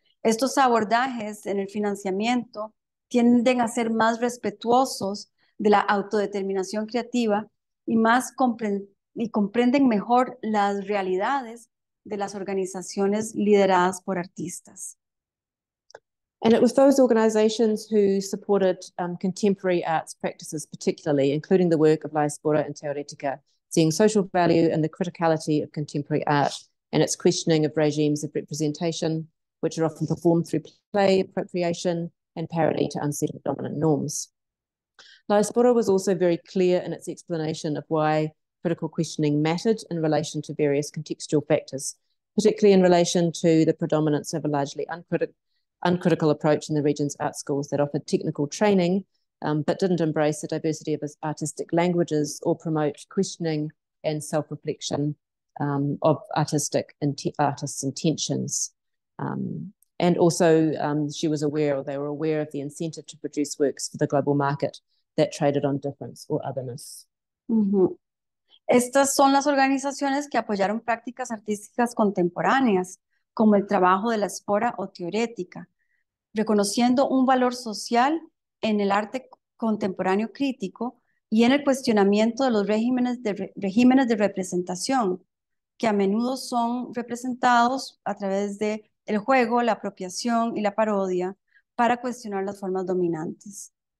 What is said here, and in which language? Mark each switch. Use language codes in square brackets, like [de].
[es] Estos abordajes en el financiamiento tienden a ser más respetuosos de la autodeterminación creativa y comprenden mejor las realidades de las organizaciones lideradas por artistas. [en] And it was those organizations who supported contemporary arts practices, particularly, including the work of La Espora and Teoretica, seeing social value in the criticality of contemporary art and its questioning of regimes of representation, which are often performed through play, appropriation, and parody to unsettle dominant norms. La Espora was also very clear in its explanation of why critical questioning mattered in relation to various contextual factors, particularly in relation to the predominance of a largely uncritical approach in the region's art schools that offered technical training but didn't embrace the diversity of artistic languages or promote questioning and self-reflection of artists' intentions. And also she was aware, or they were aware, of the incentive to produce works for the global market that traded on difference or otherness. [es] Estas son las organizaciones que apoyaron prácticas artísticas contemporáneas como el trabajo de La Espora o Teorética, reconociendo un valor social en el arte contemporáneo crítico y en el cuestionamiento de los regímenes de representación, que a menudo son representados a través de el juego, la apropiación y la parodia para cuestionar las formas dominantes.